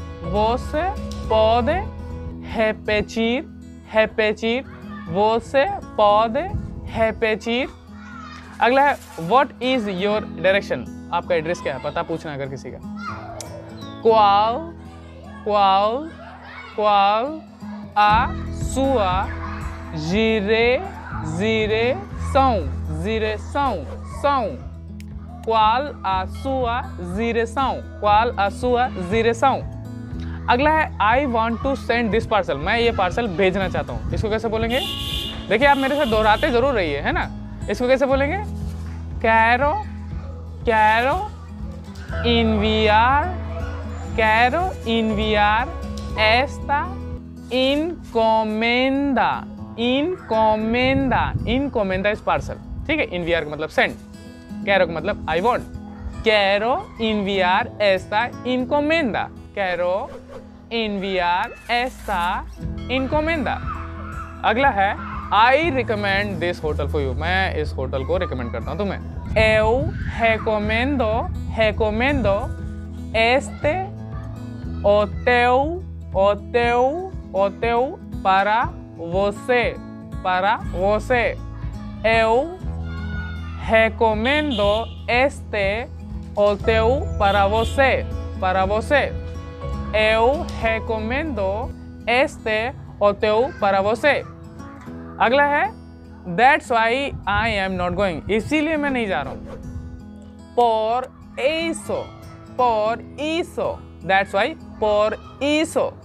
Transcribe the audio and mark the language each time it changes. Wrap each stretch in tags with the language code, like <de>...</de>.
<pt>Você pode repetir, repetir, você pode repetir.</pt> <hi>अगला है</hi> <en>what is your direction,</en> <hi>आपका address क्या है, पता पूछना अगर किसी का.</hi> <pt>Qual, qual, qual a sua direção, direção, são. Qual a sua direção, qual a sua direção.</pt> <hi>अगला है</hi> <en>I want to send this parcel,</en> <hi>मैं ये पार्सल भेजना चाहता हूँ, इसको कैसे बोलेंगे? देखिए आप मेरे साथ दोहराते जरूर रहिए, है ना, इसको कैसे बोलेंगे? कैरो, कैरो इनवियार, कैरो इनवियार एस्ता इनकोमेंडा, इनकोमेंडा, इनकोमेंडा इस पार्सल, ठीक है, इनवियार का मतलब सेंड, कैरो का मतलब I want, Cairo इनवियार Esta इनकोमेंडा,</hi> <pt>कैरो enviar esta encomenda.</pt> <hi>अगला है</hi> <en>I recommend this hotel for you,</en> <hi>मैं इस होटल को रिकमेंड करता हूँ तुम्हें.</hi> <pt>eu recomendo, recomendo este hotel, hotel, hotel para você, para você. eu recomendo este hotel para você, para você. eu recomendo este hotel para você.</pt> <hi>अगला है</hi> <en>that's why I am not going,</en> <hi>इसीलिए मैं नहीं जा रहा हूँ.</hi> <pt>por isso, por isso,</pt> <en>that's why,</en> <pt>por isso.</pt>